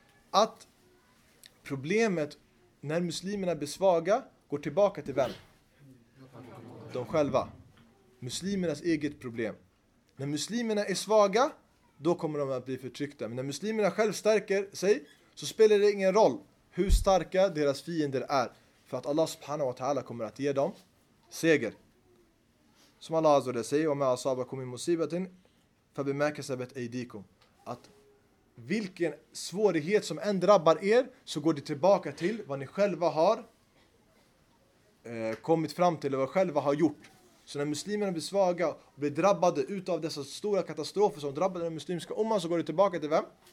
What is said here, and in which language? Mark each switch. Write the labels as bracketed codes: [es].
[sv] Att problemet när muslimerna blir svaga går tillbaka till vem? De själva. Muslimernas eget problem. När muslimerna är svaga, då kommer de att bli förtryckta. Men när muslimerna själv stärker sig, så spelar det ingen roll hur starka deras fiender är. För att Allah subhanahu wa ta'ala kommer att ge dem seger. Som Allah azza wa jalla säger, [ar] وَمَا أَصَابَكُمْ مِنْ مُصِيبَةٍ فَبِمَا كَسَبَتْ أَيْدِيكُمْ. [sv] Att vilken svårighet som än drabbar er, så går det tillbaka till vad ni själva har kommit fram till och vad själva har gjort. Så när muslimerna blir svaga och blir drabbade utav dessa stora katastrofer som drabbade den muslimska umman, så går det tillbaka till vem?